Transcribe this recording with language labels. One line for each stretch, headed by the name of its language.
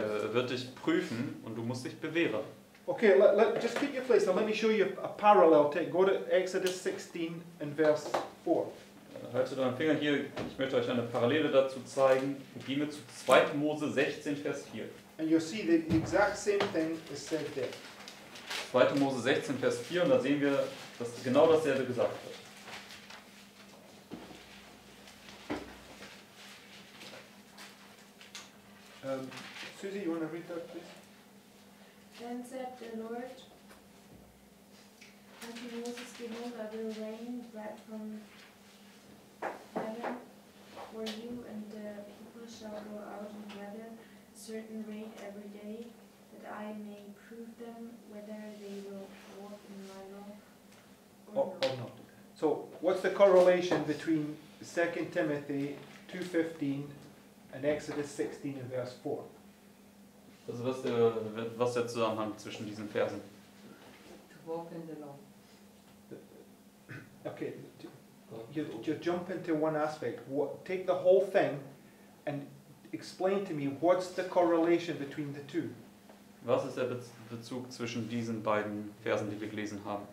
German: Er wird dich prüfen und du musst dich bewähren.
English: Okay, just keep your place. Now let me show you a parallel take. Go to Exodus 16 and verse 4.
German: Haltet euren Finger hier, ich möchte euch eine Parallele dazu zeigen. Gehen wir zu 2. Mose 16, Vers 4.
English: And you see the exact same thing is said there.
German: 2. Mose 16, Vers 4, und da sehen wir, dass genau dasselbe gesagt wird.
English: Susie, you want to read that, please? Then said the Lord unto Moses, behold, I will rain bread from heaven for you, and the people shall go out and gather certain rain every day, that I may prove them whether they will walk in my law or not. So, what's the correlation between 2 Timothy 2:15 and Exodus 16 and verse 4?
German: Also, was der Zusammenhang zwischen diesen Versen?
English: To walk in the law. Okay. You're jumping to one aspect. Take the whole thing and explain to me what's the correlation between the two.
German: Was ist der Bezug zwischen diesen beiden Versen, die wir gelesen haben?